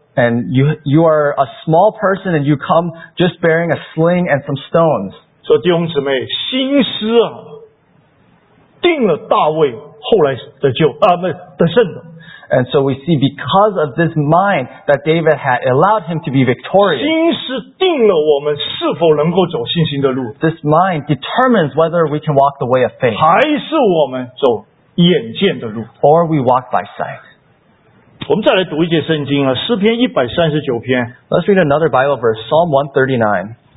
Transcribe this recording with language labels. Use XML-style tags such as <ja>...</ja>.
<en>And you are a small person and you come just bearing a sling and some stones.</en> <zh>说弟兄姊妹,心思啊, 定了大卫后来的胜的。</zh> <en>And so we see because of this mind that David had allowed him to be victorious.</en> <zh>心思定了我们是否能够走信心的路。</zh> <en>This mind determines whether we can walk the way of faith.</en> <zh>还是我们走眼见的路。</zh> <en>Or we walk by sight.</en> <zh>我们再来读一节圣经啊, 诗篇139篇。</zh> <en>Let's read another Bible verse, Psalm 139.</en>